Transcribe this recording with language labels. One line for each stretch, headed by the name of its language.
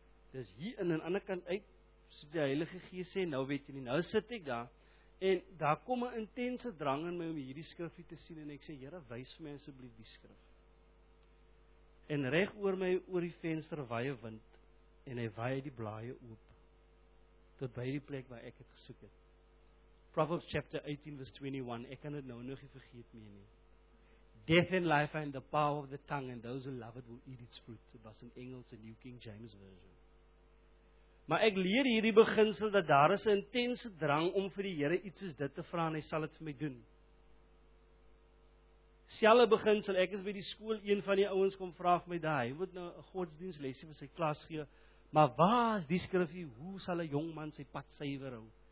Afrikaans: Dis hier in die ander kant uit, so die Heilige Gees sê, nou weet jy nie, nou sit ek daar, en daar kom 'n intense drang in my om hierdie skrifie te sien, en ek sê, Here, wys vir my asseblief die skrif. En reg oor my, oor die venster, waai 'n wind, en hy waai die blaaie oop, tot by die plek waar ek het gesoek het.
English: Proverbs chapter 18 verse 21.
Afrikaans: Ek kan dit nou nog nie vergeet meer nie.
English: Death and life are in the power of the tongue, and those who love it will eat its fruit. It was in Engels, the New King James Version.
Afrikaans: Maar ek leer hierdie beginsel, dat daar is 'n intense drang om vir die Here iets soos dit te vra, en hy sal het vir my doen. Selfe beginsel, ek is by die skool, een van die ouens kom vraag vir my daar, hy moet nou 'n godsdienstlesie vir sy klas gee, maar waar is die skrifie, hoe sal 'n jong man sy pad suiwer hou?